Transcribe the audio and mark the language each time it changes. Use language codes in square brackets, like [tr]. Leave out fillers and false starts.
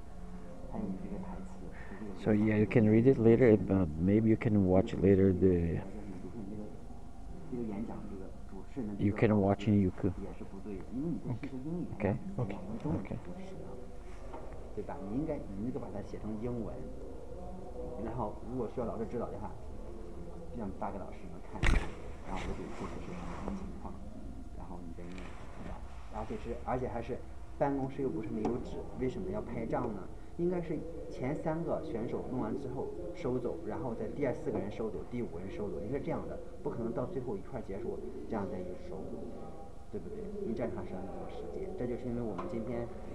[zh] 还有一个英语歌曲大赛，我没有做任何的指导，全程的，全是他们自己组织的，因为他们知道怎么去做，什么时候设备怎么去调试，然后这个演，那都四五百人呢，大礼堂那边，你想是不是？所以说你们宣传肯定是不到位的，还有你这个台词。So [en] yeah, you can read it later, but maybe you can watch it later the. [zh] 这个演讲这个主持人的。 [en] You can watch in YouTube. [zh] 也是不对的，因为你这是英语，我们中文。对吧？你应该把它写成英文，然后如果需要老师指导的话，让大概老师能看一下，然后我就解释是什么情况，然后你再念，对吧？而且是，而且还是，办公室又不是没有纸，为什么要拍照呢？应该是前三个选手弄完之后收走，然后在第四个人收走，第五个人收走，应该是这样的，不可能到最后一块结束这样再一收，对不对？你站场时间多时间，这就是因为我们今天。